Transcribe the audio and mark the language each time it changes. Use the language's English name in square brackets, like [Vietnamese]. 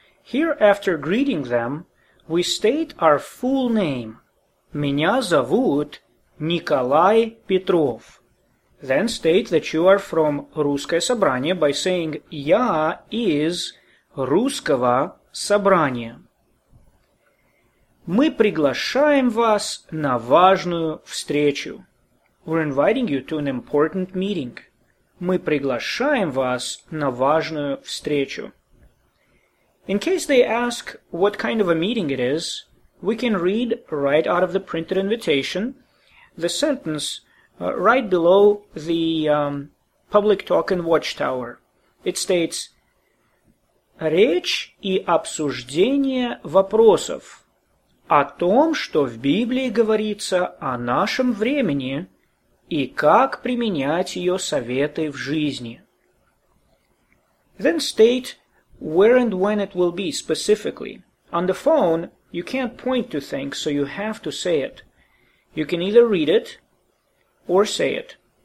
[English] Here, after greeting them, we state our full name. [Russian] Меня зовут Николай Петров. [English] Then state that you are from Русское собрание by saying [Russian] Я из Русского собрания. Мы приглашаем вас на важную встречу. [English] We're inviting you to an important meeting. [Russian] Мы приглашаем вас на важную встречу. [English] In case they ask what kind of a meeting it is, we can read right out of the printed invitation the sentence right below the public talk and watchtower. It states, [Russian] речь и обсуждение вопросов о том, что в Библии говорится о нашем времени и как применять ее советы в жизни. [English] Then state where and when it will be specifically. On the phone, you can't point to things, so you have to say it. You can either read it or say it.